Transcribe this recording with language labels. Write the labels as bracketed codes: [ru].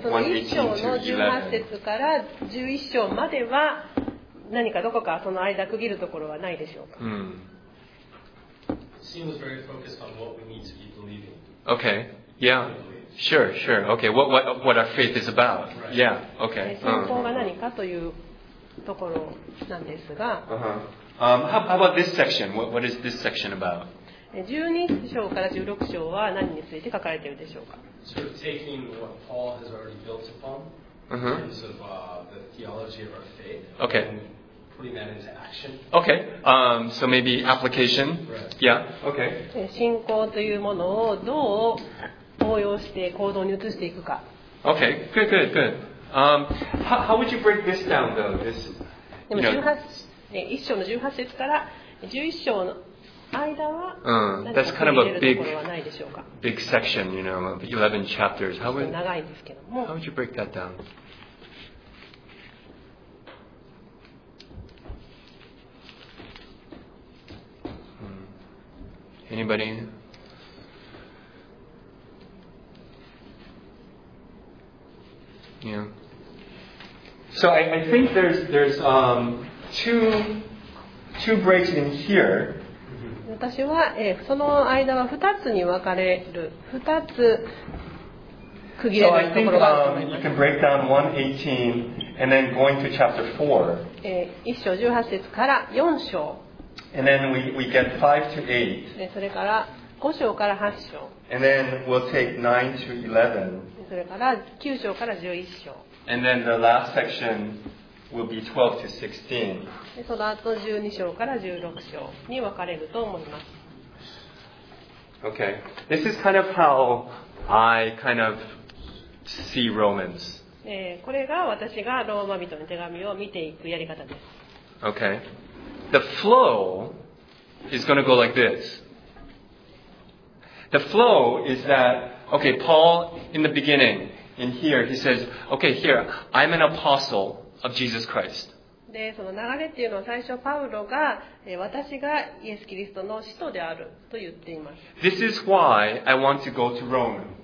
[ja] その一章の18節から11章までは何かどこかその間区切るところはないでしょうか。 [en] Seems very focused on what we need to be believing. Okay. Yeah. Sure. Okay. What our faith is about. Yeah. Okay. [ja] 信仰が何かというところなんですが。 [en] How about this section? What is this section about? [ja] 12章から16章は何について書かれているでしょうか。 [en] Sort of taking what Paul has already built upon in terms of the theology of our faith. Okay. Putting that into action. Okay. So maybe application. Right. Yeah. Okay. [ja] 信仰というものをどう応用して行動に移していくか。 [en] Okay, good. How would you break this down, though? This, [ja] でも一章の十八節から十一章の間は、 [en] that's kind of a big section, you know, of 11 chapters. How would [ja] 長いんですけども。 [en] How would you break that down? Anybody? Yeah. So I think there's two breaks in here. [ja] 私は、その間は二つに分かれる。二つ区切れるところがあると思います。 [en] So I think you can break down 1:18 and then going to chapter 4. [ja] 一章十八節から四章。 [en] And then we get 5 to 8. [ja] それから五章から八章。 [en] And then we'll take 9 to 11. [ja] それから9章から11章。 [en] And then the last section will be 12 to 16. [ja] でその後12章から16章に分かれると思います。 [en] Okay. This is kind of how I kind of see Romans. [ja] これが私がローマ人の手紙を見ていくやり方です。 [en] Okay. The flow is going to go like this. The flow is that. Okay, Paul, in the beginning, in here, he says, okay, here, I'm an apostle of Jesus Christ. [ja] で、その流れっていうのは最初パウロが、私がイエス・キリストの使徒であると言っています。 [en] This is why I want to go to Rome.